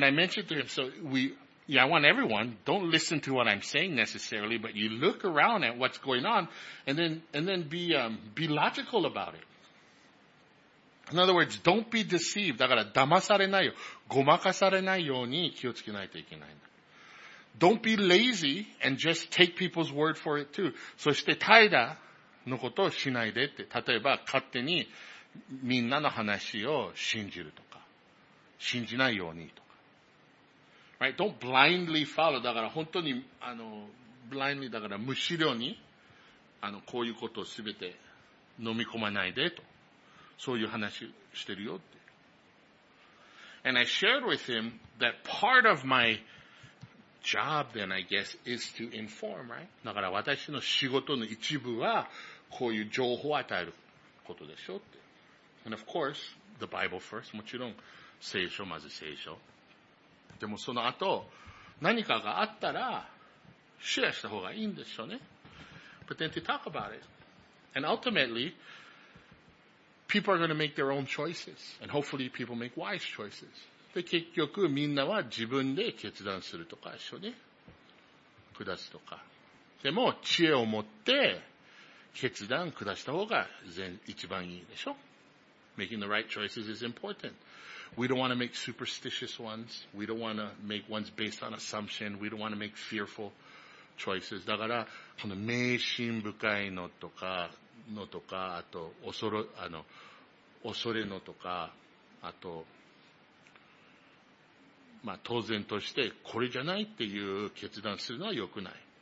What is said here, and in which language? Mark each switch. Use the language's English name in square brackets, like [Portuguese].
[English] And I mentioned to him, I want everyone, don't listen to what I'm saying necessarily, but you look around at what's going on, and then be logical about it. In other words, don't be deceived. [Japanese] だから、騙されないよ。ごまかされないように気をつけないといけないんだ。 [English] Don't be lazy and just take people's word for it too. [Japanese] そして怠惰のことをしないでって。例えば勝手にみんなの話を信じるとか。信じないようにとか。 [English] Right? Don't blindly follow. [Japanese] だから本当に、blindly だから無資料に、こういうことをすべて飲み込まないでと。そういう話してるよって。 [English] And I shared with him that part of myjob then I guess is to inform, right? [Japanese] だから私の仕事の一部はこういう情報を与えることでしょって。 [English] And of course, the Bible first, [Japanese] もちろん聖書、まず聖書。でもその後、何かがあったらシェアした方がいいんでしょうね。 [English] But then to talk about it. And ultimately, people are going to make their own choices. And hopefully people make wise choices. [Japanese] で、結局、みんなは自分で決断するとか、一緒に下すとか。でも、知恵を持って、決断下した方が一番いいでしょ。 [English] Making the right choices is important. We don't want to make superstitious ones. We don't want to make ones based on assumption. We don't want to make fearful choices. [Japanese] だから、この迷信深いのとか、あと、恐れのとか、あと、まあ当然としてこれじゃないっていう決断するのは良くない。